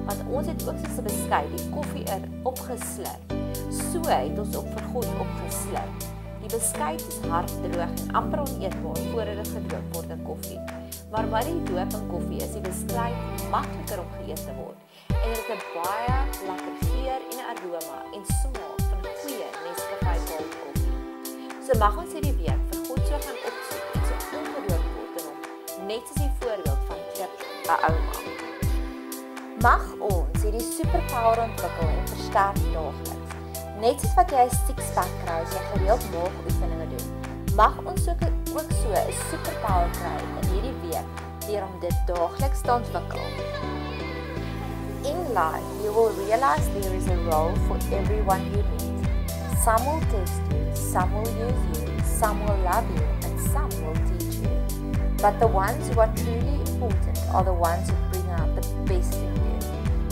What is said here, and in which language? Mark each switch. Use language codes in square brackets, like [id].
[af] Want ons het ook soos 'n beskuit die koffie er opgeslip. So het ons ook vir God opgeslip. Die beskuit is harddroog en amper oneetbaar voordat dit gedoop word in koffie. Maar by die doop in koffie is die beskuit makliker om geëet te word. En dit het 'n baie lekker geur en aroma en smaak van goeie Nescafe Gold koffie. So mag ons hierdie week vir God so gaan opsoek en so ongedoop word in hom, net soos die voorbeeld van Dippe Ouma. Mag ons hierdie superpower ontwikkel en versterk daagliks. Net soos wat jy 'n six-pack kry as jy gereeld maagoefeninge doen, mag ons ook so 'n superpower kry in hierdie week deur om dit daagliks te ontwikkel. [en] In life, you will realize there is a role for everyone you meet. Some will test you, some will use you, some will love you, and some will teach you. But the ones who are truly important are the ones who bring out the best in you.